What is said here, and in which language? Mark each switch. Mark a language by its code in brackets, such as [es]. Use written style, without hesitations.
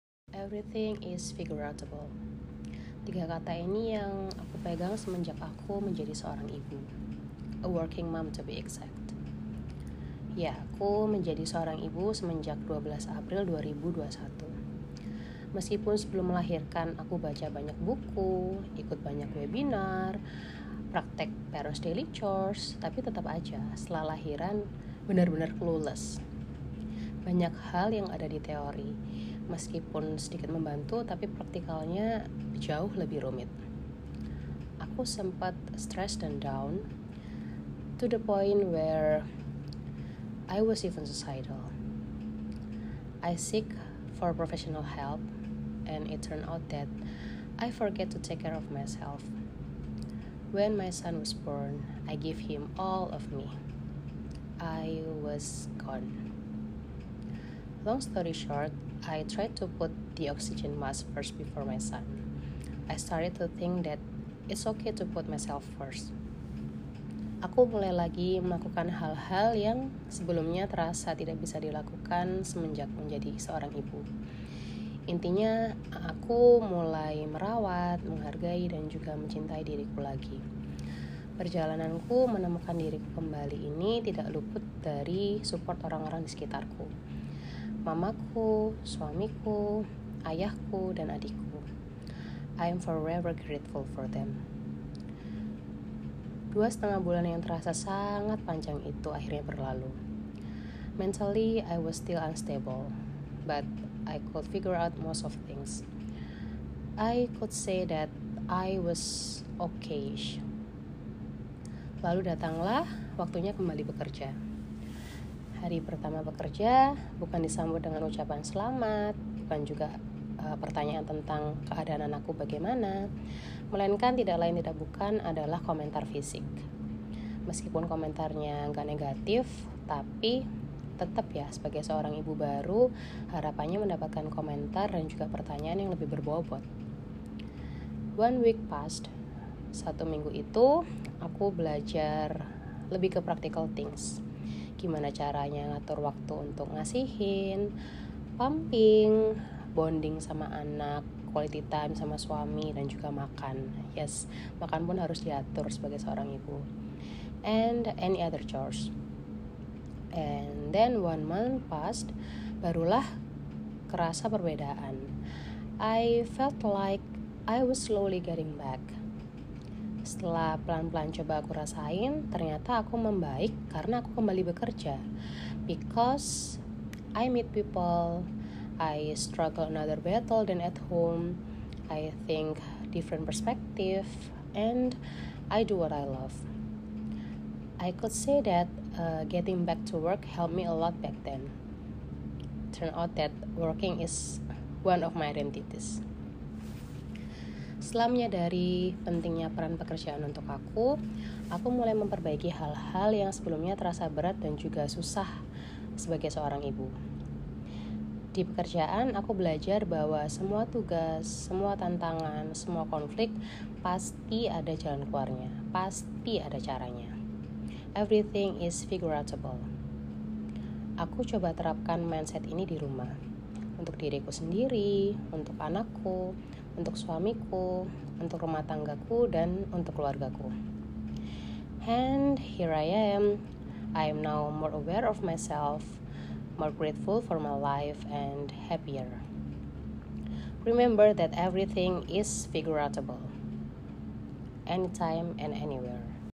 [en] Everything is figuratable. [id] Tiga kata ini yang aku pegang semenjak aku menjadi seorang ibu. [en] A working mom to be exact. [id] Ya, aku menjadi seorang ibu semenjak 12 April 2021. Meskipun sebelum melahirkan aku baca banyak buku, ikut banyak webinar, praktek Perros Daily Chores, tapi tetap aja setelah lahiran benar-benar clueless. Banyak hal yang ada di teori, meskipun sedikit membantu, tapi praktikalnya jauh lebih rumit. Aku sempat stress dan down, [en] to the point where I was even suicidal. I seek for professional help, and it turned out that I forget to take care of myself. When my son was born, I gave him all of me. I was gone. Long story short, I tried to put the oxygen mask first before my son. I started to think that it's okay to put myself first. [id] Aku mulai lagi melakukan hal-hal yang sebelumnya terasa tidak bisa dilakukan semenjak menjadi seorang ibu. Intinya, aku mulai merawat, menghargai, dan juga mencintai diriku lagi. Perjalananku menemukan diriku kembali ini tidak luput dari support orang-orang di sekitarku. Mamaku, suamiku, ayahku, dan adikku. [en] I am forever grateful for them. [id] 2,5 bulan yang terasa sangat panjang itu akhirnya berlalu. [en] Mentally, I was still unstable, but I could figure out most of things. I could say that I was okay-ish. [id] Lalu datanglah waktunya kembali bekerja. Hari pertama bekerja, bukan disambut dengan ucapan selamat, bukan juga pertanyaan tentang keadaan anakku bagaimana, melainkan tidak lain tidak bukan adalah komentar fisik. Meskipun komentarnya gak negatif, tapi tetap ya, sebagai seorang ibu baru, harapannya mendapatkan komentar dan juga pertanyaan yang lebih berbobot. [en] 1 week passed. [id] 1 minggu itu, aku belajar lebih ke [en] practical things. [id] Gimana caranya ngatur waktu untuk ngasihin, pumping, bonding sama anak, quality time sama suami, dan juga makan. Yes, makan pun harus diatur sebagai seorang ibu. [en] And any other chores. And then 1 month passed, [id] barulah kerasa perbedaan. [en] I felt like I was slowly getting back. [id] Setelah pelan-pelan coba aku rasain, ternyata aku membaik karena aku kembali bekerja. [en] Because I meet people, I struggle another battle than at home, I think different perspective, and I do what I love. I could say that getting back to work helped me a lot back then. Turn out that working is one of my identities. [id] Setelah menyadari pentingnya peran pekerjaan untuk aku mulai memperbaiki hal-hal yang sebelumnya terasa berat dan juga susah sebagai seorang ibu. Di pekerjaan, aku belajar bahwa semua tugas, semua tantangan, semua konflik pasti ada jalan keluarnya, pasti ada caranya. [en] Everything is figurative. [id] Aku coba terapkan mindset ini di rumah, untuk diriku sendiri, untuk anakku, untuk suamiku, untuk rumah tanggaku, dan untuk keluargaku. [en] And here I am. I am now more aware of myself, more grateful for my life, and happier. Remember that everything is figurative. Anytime and anywhere.